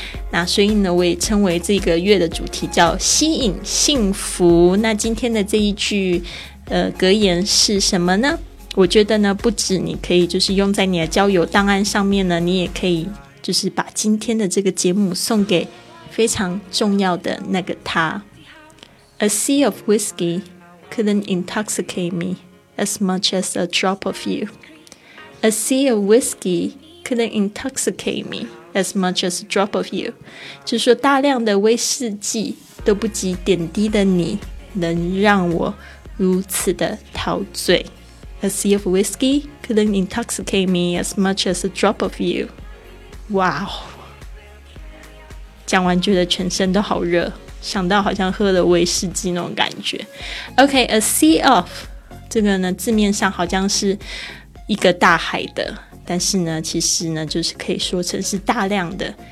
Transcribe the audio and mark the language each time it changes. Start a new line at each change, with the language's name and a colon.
Chinese: 那所以呢，我也称为这个月的主题叫吸引幸福。那今天的这一句格言是什么呢？我觉得呢，不止你可以就是用在你的交友档案上面呢，你也可以就是把今天的这个节目送给非常重要的那个他。
English: A sea of whiskey couldn't intoxicate me as much as a drop of you. A sea of whiskey couldn't intoxicate me as much as a drop of you.
Chinese: 就说大量的威士忌都不及点滴的你能让我如此的陶醉。
English: A sea of whiskey couldn't intoxicate me as much as a drop of you. Wow!
Chinese: 讲完觉得全身都好热，想到好像喝了威士忌那种感觉。 OK,
English: a sea of
Chinese: 这个呢，字面上好像是一个大海的，但是呢，其实呢，就是可以说成是大量的。